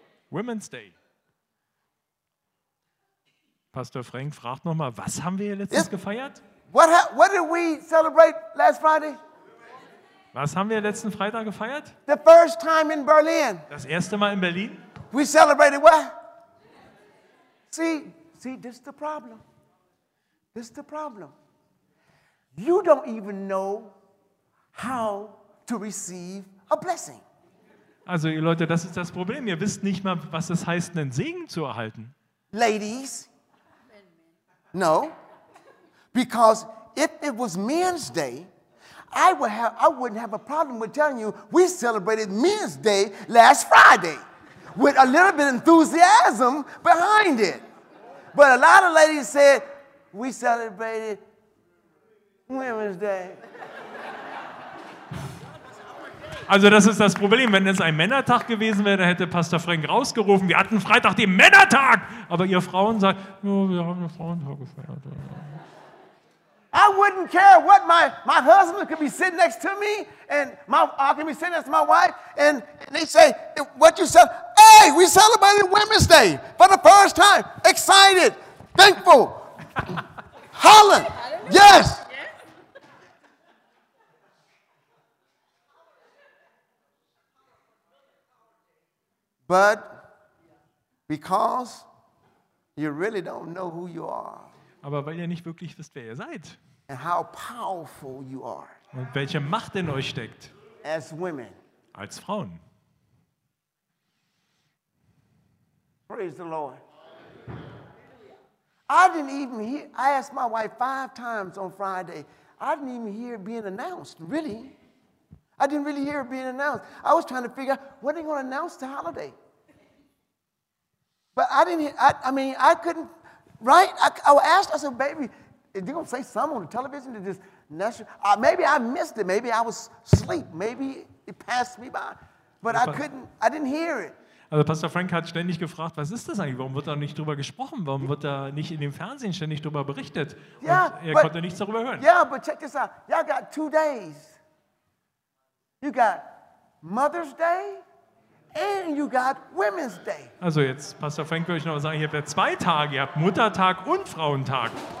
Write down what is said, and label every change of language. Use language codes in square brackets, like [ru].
[en] Women's Day. [de] Pastor Frank fragt nochmal, was haben wir letztens gefeiert? [en] What did we celebrate last Friday? [de] Was haben wir letzten Freitag gefeiert? [en] The first time in Berlin. [de] Das erste Mal in Berlin. [en] We celebrated what? See, this is the problem. This is the problem. You don't even know how to receive a blessing. [de] Also ihr Leute, das ist das Problem. Ihr wisst nicht mal, was es heißt, einen Segen zu erhalten. [en] Ladies, no, because if it was Men's Day, I wouldn't have a problem with telling you we celebrated Men's Day last Friday with a little bit of enthusiasm behind it. But a lot of ladies said we celebrated Women's Day. [de] Also das ist das Problem. Wenn es ein Männertag gewesen wäre, dann hätte Pastor Frank rausgerufen, wir hatten Freitag den Männertag. Aber ihr Frauen sagt, oh, wir haben den Frauentag gefeiert. [en] I wouldn't care what my husband could be sitting next to me and I could be sitting next to my wife and they say, what you said, hey, we celebrated Women's Day for the first time. Excited. Thankful. Holland. Yes. But because you really don't know who you are. [de] Aber weil ihr nicht wirklich wisst, wer ihr seid. [en] And how powerful you are. [de] Und welche Macht in euch steckt. [en] As women. [de] Als Frauen. [en] Praise the Lord. I didn't even hear, I asked my wife 5 times on Friday. I didn't even hear it being announced, really. I didn't really hear it being announced. I was trying to figure out what they're going to announce the holiday. But I didn't, I couldn't, right? I said, baby, they're going to say something on the television to this national, maybe I missed it. Maybe I was asleep. Maybe it passed me by. But I didn't hear it. [de] Also Pastor Frank hat ständig gefragt, was ist das eigentlich? Warum wird da nicht drüber gesprochen? Warum wird da nicht in dem Fernsehen ständig drüber berichtet? Und konnte nichts darüber hören. [en] Yeah, but check this out. Y'all got 2 days. You got Mother's Day And you got Women's Day. [de] Also jetzt, Pastor Frank, würde ich noch sagen, ihr habt ja zwei Tage. Ihr habt Muttertag und Frauentag.